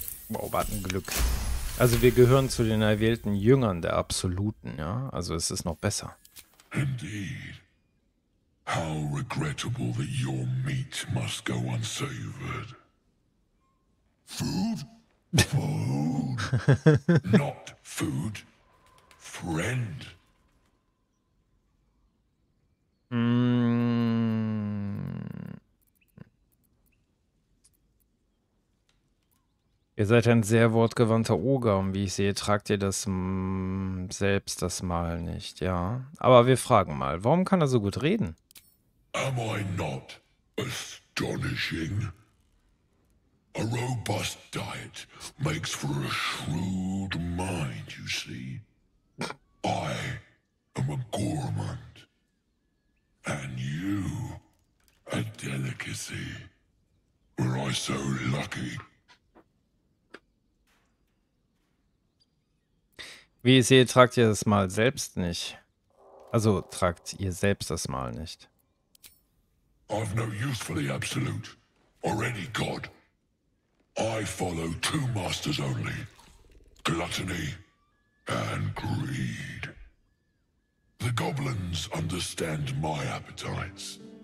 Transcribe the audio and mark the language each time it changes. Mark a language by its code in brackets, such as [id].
[de] Wow, was ein Glück. Also wir gehören zu den erwählten Jüngern der Absoluten, ja? Also es ist noch besser. [en] Indeed. How regrettable that your meat must go unsavored. Food? Food? Not food. Friend. [de] Ihr seid ein sehr wortgewandter Oger und wie ich sehe, tragt ihr das selbst das Mal nicht, ja? Aber wir fragen mal, warum kann er so gut reden? [en] Am I not astonishing? A robust diet makes for a shrewd mind, you see. I am a gourmand. And you, a delicacy. Were I so lucky? [de] Wie ich sehe, tragt ihr das Mal selbst nicht. Also, tragt ihr selbst das Mal nicht. [en] I've no use for the absolute, or any god. I follow two masters only, gluttony and greed. The goblins understand my appetites.